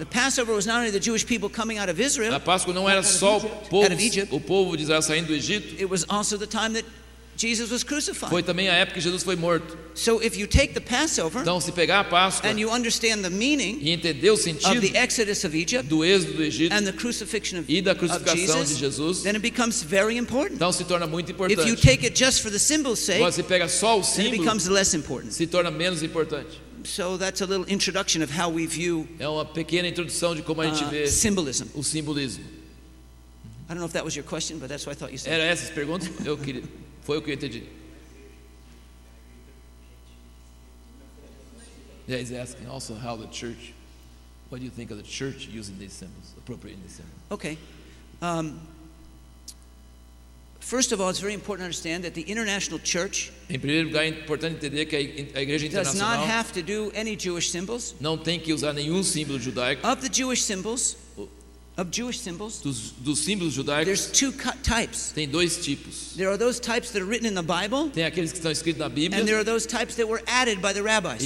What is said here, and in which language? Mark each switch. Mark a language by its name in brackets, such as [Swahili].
[English] Passover was not only the Jewish people coming out of Israel. [Portuguese] A Páscoa não era só o povo de Israel saindo do Egito. [English] It was also the time that Jesus was crucified. [Portuguese] Foi também a época que Jesus foi morto. [English] So if you take the Passover, [Portuguese] então se pegar a Páscoa, [English] and you understand the meaning, [Portuguese] e entender o sentido [English] of the Exodus of Egypt, [Portuguese] do êxodo do Egito, [English] and the crucifixion of, [Portuguese] e da crucificação de Jesus, [English] then it becomes very important. [Portuguese] Então se torna muito importante. [English] If you take it just for the symbol's sake, [Portuguese] mas se pega só o símbolo, [English] then it becomes less important. [Portuguese] Se torna menos importante. [English] So that's a little introduction of how we view, [Portuguese] é uma pequena introdução de como a gente vê [English] symbolism. [Portuguese] O simbolismo. [English] I don't know if that was your question, but that's what I thought you said. [Portuguese] Era essas perguntas? Eu queria, foi o que eu entendi. [English] Yeah, he's asking also how the church, what do you think of the church using these symbols, appropriating these symbols? Okay. First of all, it's very important to understand that the international church, [Portuguese] em primeiro lugar, é importante entender que a igreja internacional [English] does not have to do any Jewish symbols. [Portuguese] Não tem que usar nenhum símbolo judaico. [English] Of the Jewish symbols, of Jewish symbols, [Portuguese] dos símbolos judaicos, [English] there's two types. [Portuguese] Tem dois tipos. [English] There are those types that are written in the Bible. [Portuguese] Tem aqueles que estão escritos na Bíblia. [English] And there are those types that were added by the rabbis.